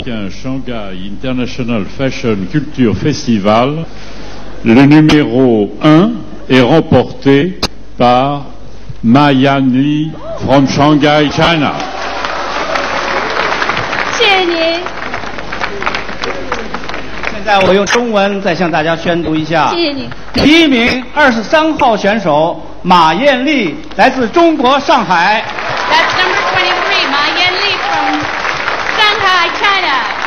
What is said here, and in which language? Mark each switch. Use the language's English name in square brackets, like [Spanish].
[French] Shanghai International Fashion Culture Festival, le numéro 1 est remporté par Ma Yan Li from Shanghai, China. [Chinese] 谢谢您。现在我用中文再向大家宣读一下。谢谢您。第一名23号选手马艳丽，来自中国上海。 [English] That's number 23, Ma Yan Li from Shanghai, China.